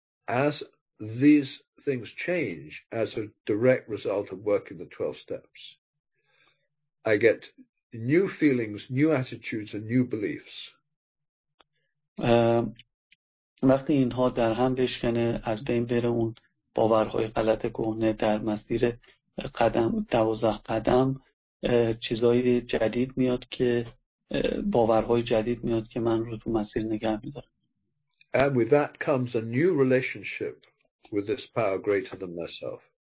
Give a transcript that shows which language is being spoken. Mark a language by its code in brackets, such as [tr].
[en] as these things change as a direct result of working the 12 steps, I get new feelings, new attitudes and new beliefs. [fa] وقتی اینها در هم بشکنه از بین بره اون باورهای غلط کهنه در مسیر قدم 12 قدم چیزای جدید میاد که باورهای جدید میاد که من رو تو مسیر نگه میدارم. [en] And with that comes a new relationship with this power greater than myself.